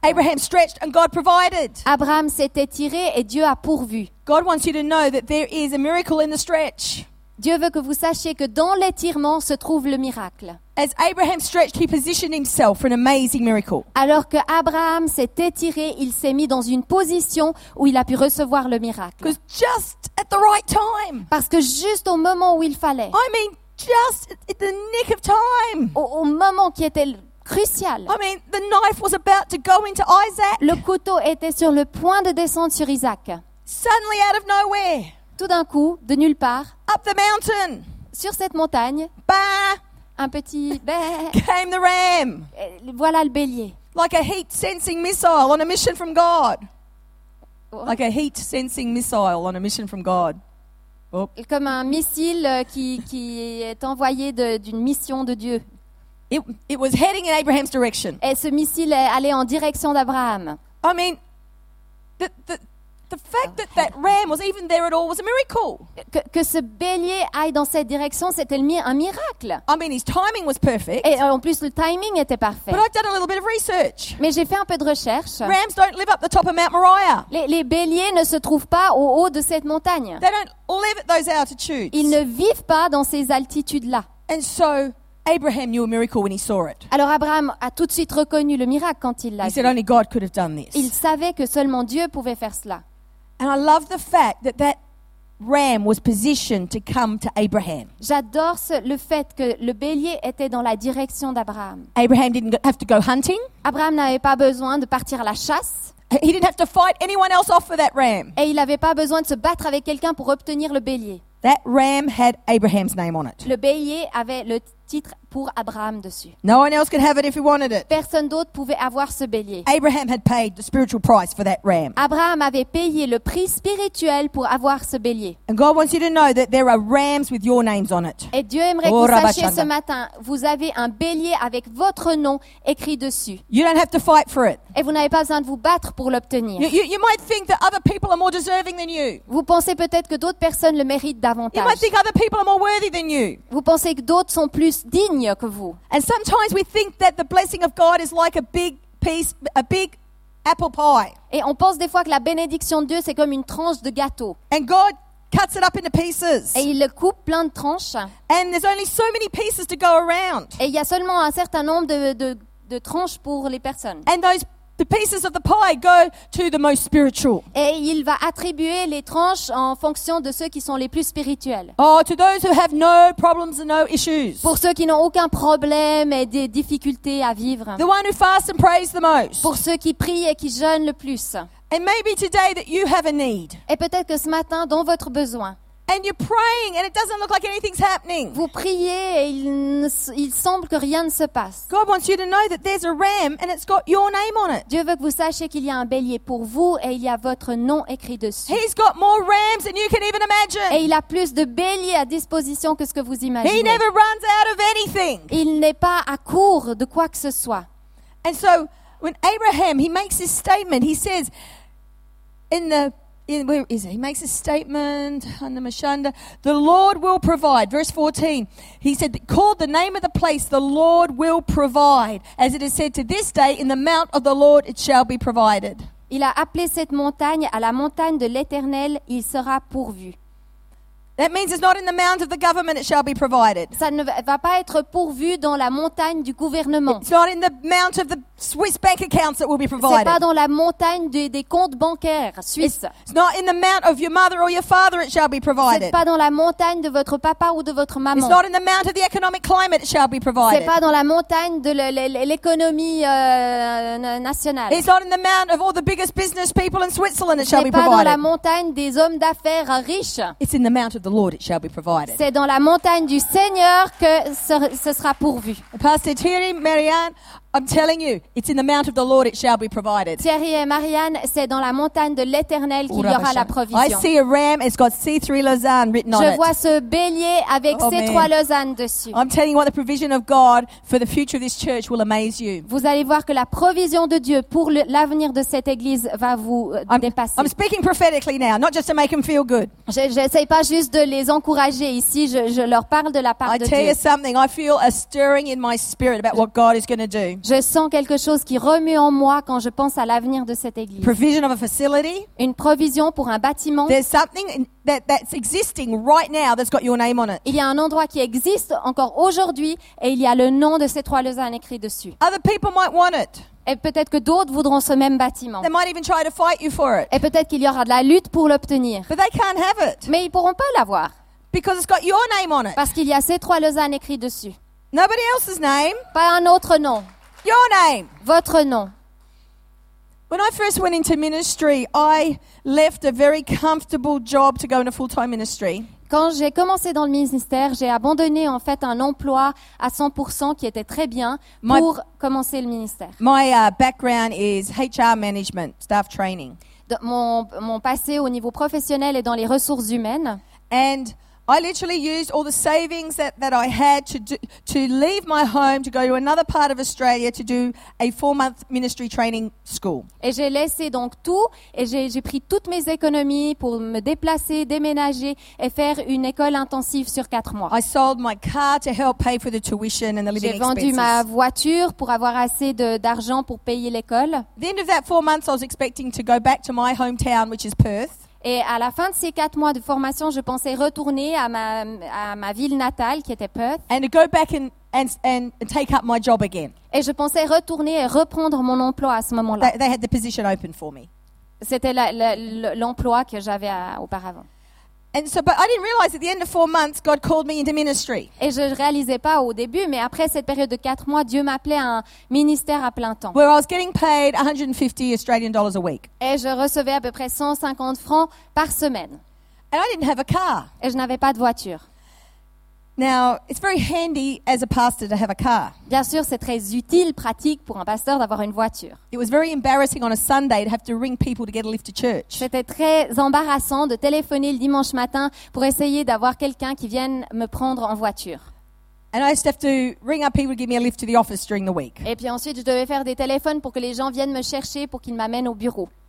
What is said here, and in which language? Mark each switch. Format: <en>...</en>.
<en>Abraham stretched and God provided.</en> <fr>Abraham s'est étiré et Dieu a pourvu.</fr> <en>God wants you to know that there is a miracle in the stretch.</en> <fr>Dieu veut que vous sachiez que dans l'étirement se trouve le miracle.</fr> <en>As Abraham stretched, he positioned himself for an amazing miracle.</en> <fr>Alors que Abraham s'est étiré, il s'est mis dans une position où il a pu recevoir le miracle.</fr> <en>Because just at the right time.</en> <fr>Parce que juste au moment où il fallait.</fr> <en>I mean, just at the nick of time.</en> <fr>Au moment qui était crucial.</fr> <en>I mean, the knife was about to go into Isaac.</en> <fr>Le couteau était sur le point de descendre sur Isaac.</fr> <en>Suddenly, out of nowhere.</en> <fr>Tout d'un coup, de nulle part.</fr> <en>Up the mountain.</en> <fr>Sur cette montagne. Bah. Un petit bah,</fr> <en>came the ram.</en> <fr>Voilà le bélier.</fr> <en>Like a heat sensing missile on a mission from God. Like a heat sensing missile on a mission from God. Oh.</en> <fr>Comme un missile qui est envoyé d'une mission de Dieu.</fr> <en>It was heading in Abraham's direction.</en> <fr>Et ce missile est allé en direction d'Abraham.</fr> <en>I mean, the fact that ram was even there at all was a miracle.</en> <fr>Que ce bélier aille dans cette direction, c'était un miracle.</fr> <en>I mean, his timing was perfect.</en> <fr>Et en plus, le timing était parfait.</fr> <en>But I've done a little bit of research.</en> <fr>Mais j'ai fait un peu de recherche.</fr> <en>Rams don't live up the top of Mount Moriah.</en> <fr>Les béliers ne se trouvent pas au haut de cette montagne.</fr> <en>They don't live at those altitudes.</en> <fr>Ils ne vivent pas dans ces altitudes-là.</fr> <en>And so Abraham knew a miracle when he saw it.</en> <fr>Alors Abraham a tout de suite reconnu le miracle quand il l'a</fr> <en>vu. He said only God could have done this.</en> <fr>Il savait que seulement Dieu pouvait faire cela.</fr> <en>And I love the fact that that ram was positioned to come to Abraham.</en> <fr>J'adore le fait que le bélier était dans la direction d'Abraham.</fr> <en>Abraham didn't have to go hunting.</en> <fr>Abraham n'avait pas besoin de partir à la chasse.</fr> <en>He didn't have to fight anyone else off for that ram.</en> <fr>Et il n'avait pas besoin de se battre avec quelqu'un pour obtenir le bélier.</fr> <en>That ram had Abraham's name on it.</en> <fr>Le bélier avait le titre pour Abraham dessus.</fr> <en>No one else could have it if he wanted it.</en> <fr>Personne d'autre pouvait avoir ce bélier.</fr> <en>Abraham had paid the spiritual price for that ram.</en> <fr>Abraham avait payé le prix spirituel pour avoir ce bélier.</fr> <en>And God wants you to know that there are rams with your names on it.</en> <fr>Et Dieu aimerait que vous sachiez ce matin, vous avez un bélier avec votre nom écrit dessus.</fr> <en>You don't have to fight for it.</en> <fr>Et vous n'avez pas besoin de vous battre pour l'obtenir.</fr> <en>You might think that other people are more deserving than you.</en> <fr>Vous pensez peut-être que d'autres personnes le méritent davantage.</fr> <en>You might think other people are more worthy than you.</en> <fr>Vous pensez que d'autres sont plus dignes.</fr> <en>And sometimes we think that the blessing of God is like a big piece, a big apple pie.</en> <fr>Et on pense des fois que la bénédiction de Dieu c'est comme une tranche de gâteau.</fr> <en>And God cuts it up into pieces.</en> <fr>Et il le coupe plein de tranches.</fr> <en>And there's only so many pieces to go around.</en> <fr>Et il y a seulement un certain nombre de tranches pour les personnes.</fr> <en>And the pieces of the pie go to the most spiritual.</en> <fr>Et il va attribuer les tranches en fonction de ceux qui sont les plus spirituels.</fr> <en>Oh, to those who have no problems and no issues.</en> <fr>Pour ceux qui n'ont aucun problème et des difficultés à vivre.</fr> <en>The one who fasts and prays the most.</en> <fr>Pour ceux qui prient et qui jeûnent le plus.</fr> <en>And maybe today that you have a need.</en> <fr>Et peut-être que ce matin dans votre besoin.</fr> <en>And you're praying and it doesn't look like anything's happening.</en> <fr>Vous priez et il semble que rien ne se passe.</fr> <en>God wants you to know that there's a ram and it's got your name on it.</en> <fr>Dieu veut que vous sachiez qu'il y a un bélier pour vous et il y a votre nom écrit dessus.</fr> <en>He's got more rams than you can even imagine.</en> <fr>Et il a plus de béliers à disposition que ce que vous imaginez.</fr> <en>He never runs out of anything.</en> <fr>Il n'est pas à court de quoi que ce soit.</fr> <en>And so when Abraham he makes this statement, he says where is it? He makes a statement on the Mashanda. The Lord will provide. Verse 14. He said, called the name of the place, the Lord will provide. As it is said to this day, in the mount of the Lord it shall be provided.</en> <fr>Il a appelé cette montagne à la montagne de l'Éternel, il sera pourvu.</fr> <en>That means it's not in the mount of the government it shall be provided.</en> <fr>Ça ne va pas être pourvu dans la montagne du gouvernement.</fr> <en>It's not in the mount of the Swiss bank accounts that will be provided.</en> <fr>C'est pas dans la montagne des comptes bancaires suisses.</fr> <en>It's not in the mount of your mother or your father it shall be provided.</en> <fr>C'est pas dans la montagne de votre papa ou de votre maman.</fr> <en>It's not in the mount of the economic climate it shall be provided.</en> <fr>C'est pas dans la montagne de l'économie nationale.</fr> <en>It's not in the mount of all the biggest business people in Switzerland it shall be provided.</en> <fr>C'est pas dans la montagne des hommes d'affaires riches.</fr> <en>It's in the mount of the Lord it shall be provided.</en> <fr>C'est dans la montagne du Seigneur que ce sera pourvu.</fr> <en>Pastor Thierry, Marianne, I'm telling you, it's in the mount of the Lord it shall be provided.</en> <fr>Thierry et Marianne, c'est dans la montagne de l'Éternel qu'il y aura la provision.</fr> <en>I see a ram, it's got C3 Lausanne written on it.</en> <fr>Je vois ce bélier avec C3 Lausanne dessus.</fr> <en>I'm telling you what the provision of God for the future of this church will amaze you.</en> <fr>Vous allez voir que la provision de Dieu pour l'avenir de cette église va vous dépasser.</fr> <en>I'm speaking prophetically now, not just to make them feel good.</en> <fr>J'essaie pas juste de les encourager ici, je leur parle de la part de Dieu.</fr> <en>I tell you something, I feel a stirring in my spirit about what God is going to do.</en> <fr>Je sens quelque chose qui remue en moi quand je pense à l'avenir de cette église.</fr> <en>Provision of a facility.</en> <fr>Une provision pour un bâtiment.</fr> <en>There's something that's existing right now that's got your name on it.</en> <fr>Il y a un endroit qui existe encore aujourd'hui et il y a le nom de ces trois Lausanne écrit dessus.</fr> <en>Other people might want it.</en> <fr>Et peut-être que d'autres voudront ce même bâtiment.</fr> <en>They might even try to fight you for it.</en> <fr>Et peut-être qu'il y aura de la lutte pour l'obtenir.</fr> <en>But they can't have it.</en> <fr>Mais ils ne pourront pas l'avoir.</fr> <en>Because it's got your name on it.</en> <fr>Parce qu'il y a ces trois Lausanne écrit dessus.</fr> <en>Nobody else's name.</en> <fr>Pas un autre nom.</fr> <en>Your name.</en> <fr>Votre nom.</fr> <en>When I first went into ministry, I left a very comfortable job to go into full-time ministry.</en> <fr>Quand j'ai commencé dans le ministère, j'ai abandonné en fait un emploi à 100% qui était très bien pour commencer le ministère.</fr> <en>My background is HR management, staff training.</en> <fr>Mon passé au niveau professionnel est dans les ressources humaines.</fr> <en>And I literally used all the savings that I had to leave my home to go to another part of Australia to do a 4-month ministry training school.</en> <fr>Et j'ai laissé donc tout et j'ai pris toutes mes économies pour me déplacer, déménager et faire une école intensive sur 4 mois.</fr> <en>I sold my car to help pay for the tuition and the living expenses.</en> <fr>J'ai vendu ma voiture pour avoir assez d'argent pour payer l'école.</fr> <en>At the end of that 4 months, I was expecting to go back to my hometown, which is Perth.</en> <fr>Et à la fin de ces 4 mois de formation, je pensais retourner à ma ville natale qui était Perth.</fr> <en>And go back and take up my job again.</en> <fr>Et je pensais retourner et reprendre mon emploi à ce moment-là.</fr> <en>They had the position open for me.</en> <fr>C'était l'emploi que j'avais auparavant.</fr> <en>And so, but I didn't realize at the end of 4 months, God called me into ministry.</en> <fr>Et je réalisais pas au début, mais après cette période de 4 mois, Dieu m'appelait à un ministère à plein temps.</fr> <en>Where I was getting paid $150 a week.</en> <fr>Et je recevais à peu près 150 francs par semaine.</fr> <en>And I didn't have a car.</en> <fr>Et je n'avais pas de voiture.</fr> <en>Now, it's very handy as a pastor to have a car.</en> <fr>Bien sûr, c'est très utile, pratique pour un pasteur d'avoir une voiture.</fr> <en>It was very embarrassing on a Sunday to have to ring people to get a lift to church.</en> <fr>C'était très embarrassant de téléphoner le dimanche matin pour essayer d'avoir quelqu'un qui vienne me prendre en voiture.</fr> <en>And I used to have to ring up people to give me a lift to the office during the week.</en> <fr>Et puis ensuite, je devais faire des téléphones pour que les gens viennent me chercher pour qu'ils m'amènent au bureau.</fr>